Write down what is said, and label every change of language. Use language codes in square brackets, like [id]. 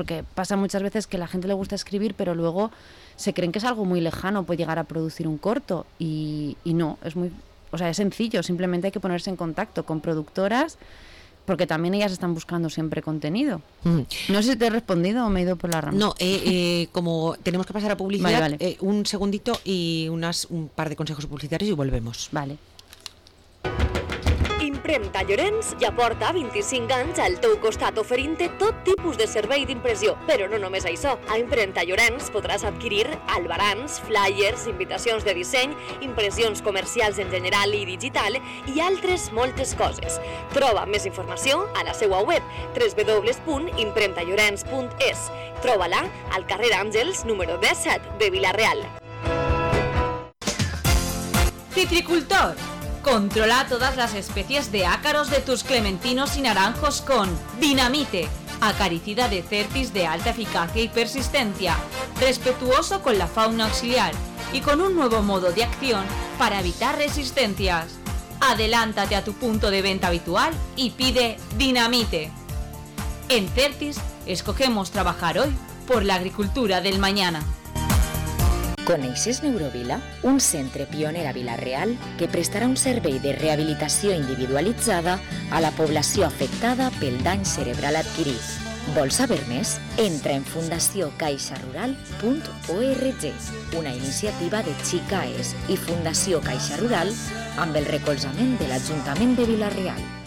[es] Porque pasa muchas veces que a la gente le gusta escribir, pero luego se creen que es algo muy lejano, puede llegar a producir un corto, y no, es muy, o sea, es sencillo, simplemente hay que ponerse en contacto con productoras, porque también ellas están buscando siempre contenido. No sé si te he respondido o me he ido por la rama. No, como tenemos que pasar a publicidad, vale, vale. Un segundito y un par de consejos publicitarios y volvemos. Vale. [ca] Impremta Llorenç ja porta 25 anys al teu costat oferint-te tot tipus de servei d'impressió. Però no només això. A Impremta Llorenç podràs adquirir albarans, flyers, invitacions de disseny, impressions comercials en general i digital i altres moltes coses. Troba més informació a la seva web www.impremtallorenç.es. Troba-la al carrer Àngels número 17 de Villarreal. [es] Citricultor. Controla todas las especies de ácaros de tus clementinos y naranjos con Dinamite, acaricida de Certis de alta eficacia y persistencia, respetuoso con la fauna auxiliar y con un nuevo modo de acción para evitar resistencias. Adelántate a tu punto de venta habitual y pide Dinamite. En Certis escogemos trabajar hoy por la agricultura del mañana. [ca] Coneixes Neurovila, un centre pioner a Villarreal que prestarà un servei de rehabilitació individualitzada a la població afectada pel dany cerebral adquirit. Vols saber més? Entra en fundaciocaixarural.org, una iniciativa de Xicaes i Fundació Caixa Rural amb el recolzament de l'Ajuntament de Villarreal.